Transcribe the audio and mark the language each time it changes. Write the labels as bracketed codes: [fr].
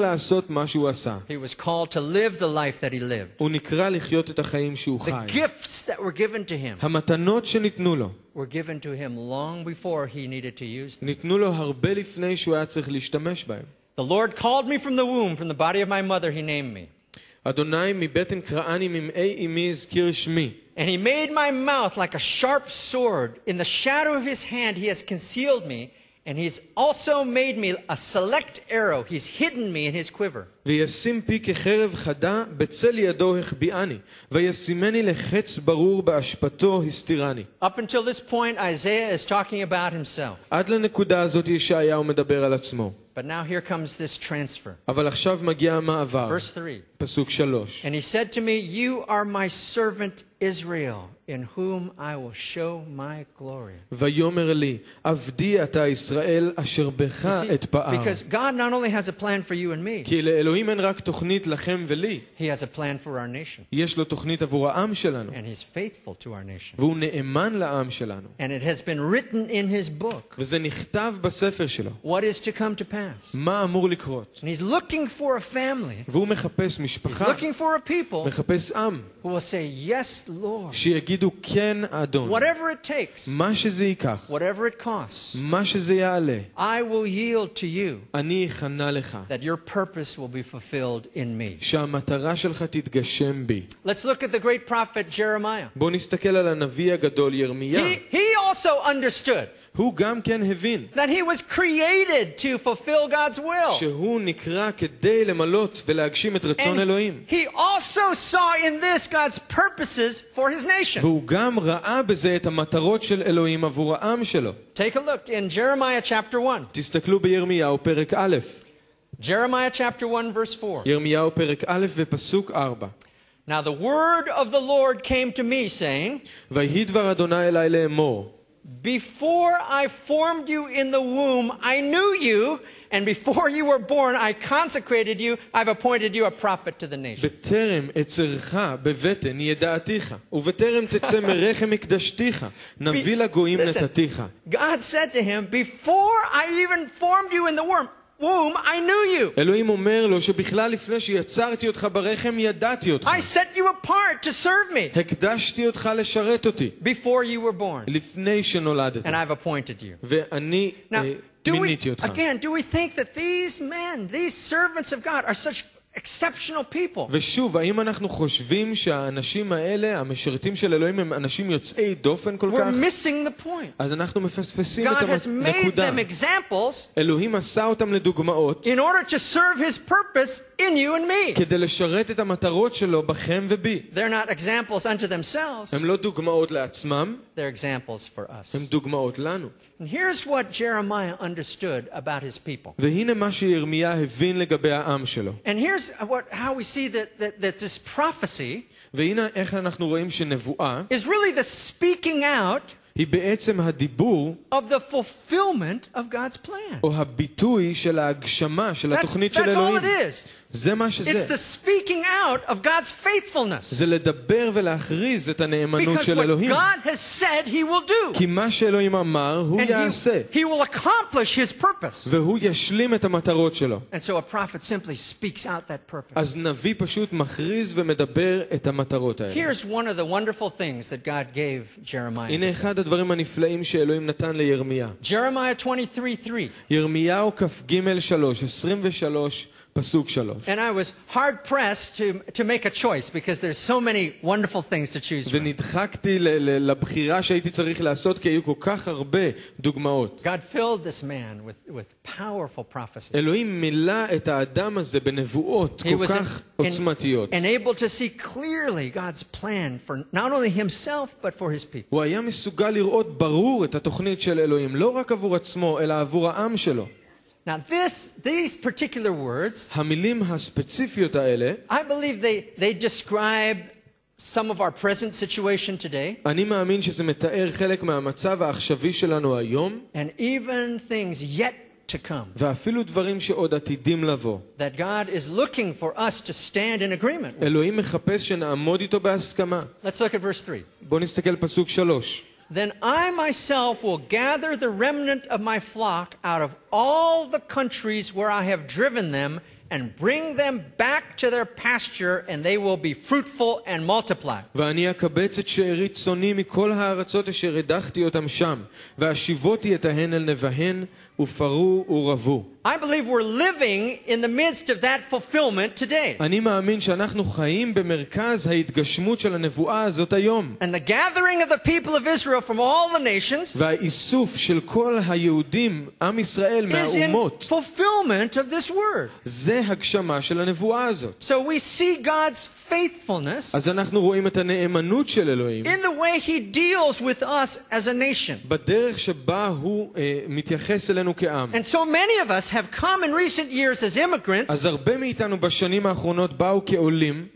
[en] He was called to live the life that he lived. The gifts that were given to him were given to him long before he needed to use them. The Lord called me from the womb, from the body of my mother, he named me. [he] אדוני מבטן קראני ממאי אמי הזכיר שמי. [en] And he made my mouth like a sharp sword. In the shadow of his hand he has concealed me, and he's also made me a select arrow. He's hidden me in his quiver. [he] וישים פי כחרב חדה בצל ידו החביאני, וישימני לחץ ברור באשפתו הסתירני. [en] Up until this point, Isaiah is talking about himself. [he] עד לנקודה הזאת ישעיהו מדבר על עצמו. [en] But now here comes this transfer. [he] אבל עכשיו מגיע המעבר. [en] Verse 3. [he] פסוק 3. [en] And he said to me, "You are my servant Israel, in whom I will show my glory." [he] ויאמר לי, עבדי אתה ישראל אשר בך אתפאר. [en] Because God not only has a plan for you and me. [he] כי לאלוהים אין רק תוכנית לכם ולי. [en] He has a plan for our nation. [he] יש לו תוכנית עבור העם שלנו. [en] And he's faithful to our nation. [he] והוא נאמן לעם שלנו. [en] And it has been written in his book. [he] וזה נכתב בספר שלו. [en] What is to come to pass? [he] מה אמור לקרות? [en] And he's looking for a family. [he] והוא מחפש משפחה. [en] He's looking for a people. [he] מחפש עם. [en] Who will say, "Yes, Lord." [he] שיגידו כן, אדון. [en] Whatever it takes. [he] מה שזה ייקח. [en] Whatever it costs. [he] מה שזה יעלה. [en] I will yield to you. [he] אני אכנע לך. [en] That your purpose will be fulfilled in me. [he] שהמטרה שלך תתגשם בי. [en] Let's look at the great prophet Jeremiah. [he] בוא נסתכל על הנביא הגדול ירמיה. [en] He also understood. [he] הוא גם כן הבין. [en] That he was created to fulfill God's will. [he] שהוא נקרא כדי למלות ולהגשים את רצון אלוהים. [en] He also saw in this God's purposes for his nation. [he] והוא גם ראה בזה את המטרות של אלוהים עבור העם שלו. [en] Take a look in Jeremiah chapter 1. [he] תסתכלו בירמיהו פרק א'. [en] Jeremiah chapter 1 verse 4. [he] ירמיהו פרק א' ופסוק 4. [en] Now the word of the Lord came to me saying, [he] ויהי דבר אדוני אליי לאמור. [en] Before I formed you in the womb, I knew you, and before you were born, I consecrated you, I've appointed you a prophet to the nation. [he] בטרם אצרך בבטן ידעתיך, ובטרם תצא מרחם מקדשתיך, נביא לגויים נתתיך. [en] God said to him, before I even formed you in the womb, I knew you. [he] אלוהים אומר לו שבכלל לפני שיצרתי אותך ברחם ידעתי אותך. [en] I set you apart to serve me. [he] הקדשתי אותך לשרת אותי. [en] Before you were born. [he] לפני שנולדת. [en] And I've appointed you. [he] ואני מיניתי אותך. [en] Again, do we think that these men, these servants of God are such exceptional people? [he] ושוב, האם אנחנו חושבים שהאנשים האלה, המשרתים של אלוהים, הם אנשים יוצאי דופן כל כך? [en] We're missing the point. [he] אז אנחנו מפספסים את הנקודה. [en] God has made them examples. [he] אלוהים עשה אותם לדוגמאות. [en] In order to serve his purpose in you and me. [he] כדי לשרת את המטרות שלו בכם ובי. [en] They're not examples unto themselves. [he] הם לא דוגמאות לעצמם. [en] They're examples for us. [he] הם דוגמאות לנו. [en] And here's what Jeremiah understood about his people. [he] והנה מה שירמיה הבין לגבי העם שלו. [en] And here's how we see that this prophecy, [he] והנה איך אנחנו רואים שנבואה, [en] is really the speaking out, [he] היא בעצם הדיבור, [en] of the fulfillment of God's plan. [he] או הביטוי של ההגשמה של התוכנית של אלוהים. [en] That's all it is. [he] זה מה שזה. [en] It's the speaking out of God's faithfulness. [he] זה לדבר ולהכריז את הנאמנות של אלוהים. [en] Because what God has said he will do. [he] כי מה שאלוהים אמר הוא יעשה. [en] He will accomplish his purpose. [he] והוא ישלים את המטרות שלו. [en] And so a prophet simply speaks out that purpose. [he] אז נביא פשוט מכריז ומדבר את המטרות האלה. [en] Here's one of the wonderful things that God gave Jeremiah. [he] הנה אחד הדברים הנפלאים שאלוהים נתן לירמיה. [en] Jeremiah 23:3. [he] ירמיהו כ"ג 23. [en] And I was hard pressed to make a choice because there's so many wonderful things to choose from. [he] ונדחקתי לבחירה שהייתי צריך לעשות כי היו כל כך הרבה דוגמאות. [en] God filled this man with powerful prophecy. [he] אלוהים מילא את האדם הזה בנבואות כל כך עוצמתיות. [en] And able to see clearly God's plan for not only himself but for his people. [he] הוא היה מסוגל לראות ברור את התוכנית של אלוהים לא רק עבור עצמו אלא עבור העם שלו. [en] Now these particular words, [he] המילים הספציפיות האלה, [en] I believe they describe some of our present situation today. [he] אני מאמין שזה מתאר חלק מהמצב העכשווי שלנו היום. [en] And even things yet to come. [he] ואפילו דברים שעוד עתידים לבוא. [en] That God is looking for us to stand in agreement. [he] אלוהים מחפש שנעמוד איתו בהסכמה. [en] Let's look at verse 3. [he] בוא נסתכל פסוק 3. [en] Then I myself will gather the remnant of my flock out of all the countries where I have driven them and bring them back to their pasture and they will be fruitful and multiply. [he] ואני אקבץ את שארית צוני מכל הארצות אשר הדחתי אותם שם ואשיבותי את ההן אל נבהן ופרו ורבו. [en] I believe we're living in the midst of that fulfillment today. [he] אני מאמין שאנחנו חיים במרכז ההתגשמות של הנבואה הזאת היום. [en] And the gathering of the people of Israel from all the nations. [he] והאיסוף של כל היהודים עם ישראל מהאומות. [en] Is in fulfillment of this word. [he] זה הגשמה של הנבואה הזאת. [en] So we see God's faithfulness. [he] אז אנחנו רואים את הנאמנות של אלוהים. [en] In the way he deals with us as a nation. [he] בדרך שבה הוא מתייחס אלינו כעם. [en] And so many of us have come in recent years as immigrants. [he] אז הרבה מאיתנו בשנים האחרונות באו כעולים.